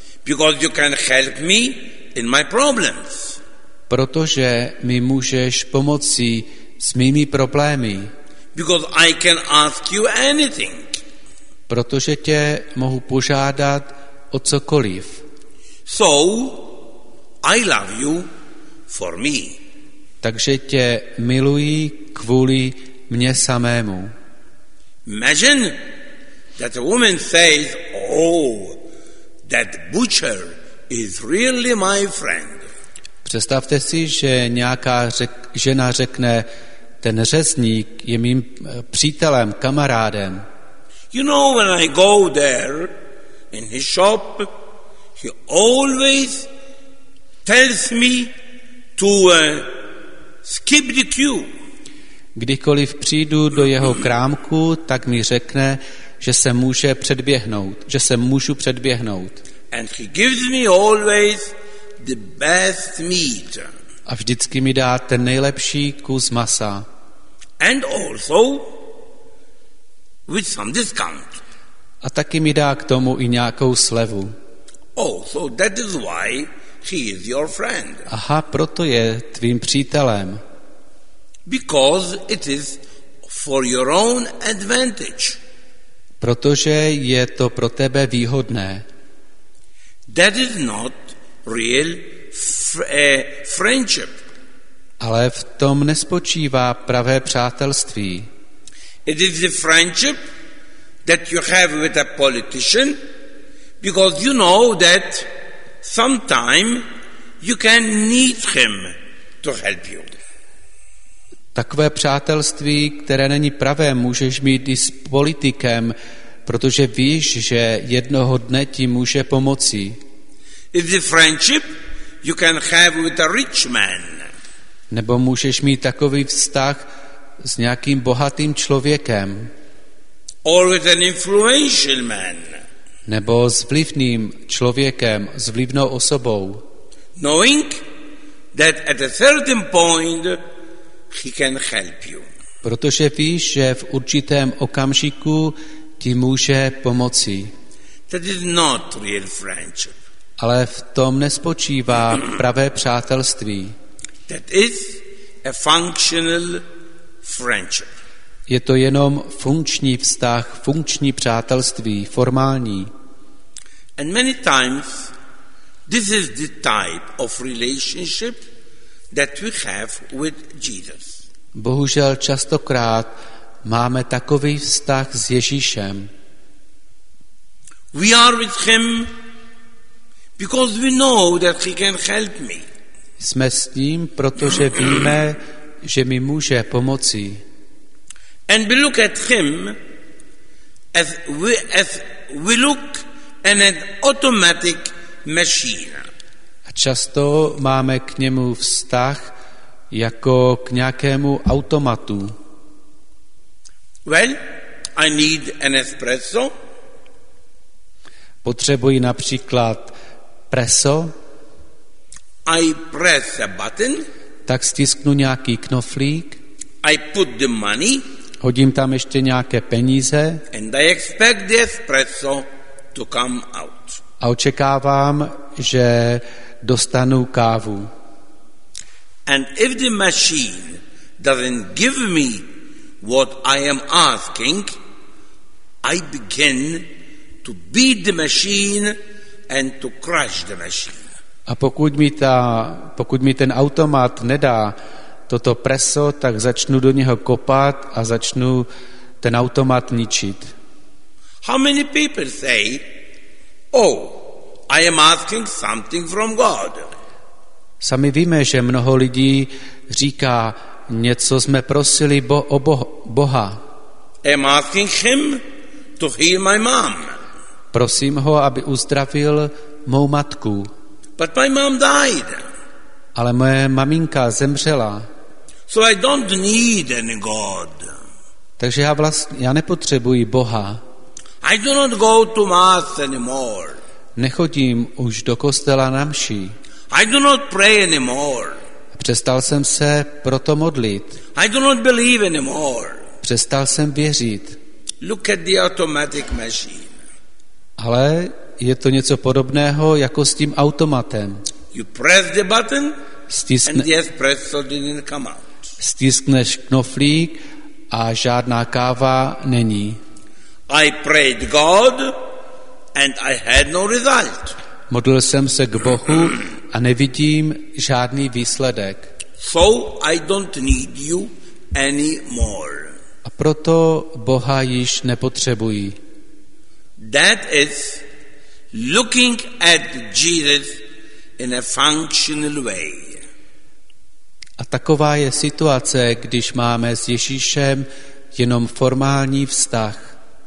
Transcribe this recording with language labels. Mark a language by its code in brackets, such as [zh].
[en] Because you can help me in my problems. [cs] Protože mi můžeš pomoci s mými problémy. [en] Because I can ask you anything. [cs] Protože tě mohu požádat o cokoliv. [en] So I love you for me. [cs] Takže tě miluji kvůli mně samému. [en] Imagine that a woman says, oh, that butcher is really my friend. [cs] Představte si, že nějaká žena řekne, ten řezník je mým přítelem, kamarádem. [en] You know, when I go there in his shop, he always tells me to skip the queue. [cs] Kdykoliv přijdu do jeho krámku, tak mi řekne, že se může předběhnout, že se můžu předběhnout. [en] And he gives me always the best meat. [cs] A vždycky mi dá ten nejlepší kus masa. [en] And also with some discount. [cs] A taky mi dá k tomu i nějakou slevu. [en] Oh, so that is why he is your friend. [cs] Aha, proto je tvým přítelem. [en] Because it is for your own advantage. [cs] Protože je to pro tebe výhodné. [en] That is not real friendship. [cs] Ale v tom nespočívá pravé přátelství. [en] It is the friendship that you have with a politician because you know that sometime you can need him to help you. [cs] Takové přátelství, které není pravé, můžeš mít i s politikem, protože víš, že jednoho dne ti může pomoci. [en] It is the friendship you can have with a rich man. [cs] Nebo můžeš mít takový vztah s nějakým bohatým člověkem. [en] Or with an influential man. [cs] Nebo s vlivným člověkem, s vlivnou osobou. [en] Knowing that at a certain point he can help you. [cs] Protože víš, že v určitém okamžiku ti může pomoci. [en] That is not real friendship. [cs] Ale v tom nespočívá pravé přátelství. [en] That is a functional friendship. [cs] Je to jenom funkční vztah, funkční přátelství, formální. [en] And many times this is the type of relationship that we have with Jesus. [cs] Bohužel častokrát máme takový vztah s Ježíšem. [en] We are with him because we know that he can help me. [cs] Jsme s ním, protože víme, že mi může pomoci. [en] And we look at him as we look at an automatic machine. [cs] A často máme k němu vztah jako k nějakému automatu. [en] Well, I need an espresso. [cs] Potřebuji například preso. [en] I press a button. [cs] Tak stisknu nějaký knoflík. [en] I put the money. [cs] Hodím tam ještě nějaké peníze. [en] And I expect the espresso to come out. [cs] A očekávám, že dostanu kávu. [en] And if the machine doesn't give me what I am asking, I begin to beat the machine and to crush the machine. [cs] A pokud mi ten automat nedá toto preso, tak začnu do něho kopat a začnu ten automat ničit. [en] How many people say, oh, I am asking something from God? [cs] Sami víme, že mnoho lidí říká, něco jsme prosili Boha. [en] I'm asking him to heal my mom. [cs] Prosím ho, aby uzdravil mou matku. [en] But my mom died. [cs] Ale moje maminka zemřela. [en] So I don't need any God. [cs] Takže já nepotřebuji Boha. [en] I do not go to mass anymore. [cs] Nechodím už do kostela na mši. [en] I do not pray anymore. [cs] Přestal jsem se proto modlit. [en] I do not believe anymore. [cs] Přestal jsem věřit. [en] Look at the automatic machine. [cs] Ale je to něco podobného jako s tím automatem. [en] You press the button. And the espresso didn't come out. [cs] Stiskneš knoflík a žádná káva není. [en] I prayed God and I had no result. [cs] Modlil jsem se k Bohu a nevidím žádný výsledek. [en] So I don't need you anymore. [cs] A proto Boha již nepotřebuji. [en] That is looking at Jesus in a functional way. [cs] A taková je situace, když máme s Ježíšem jenom formální vztah.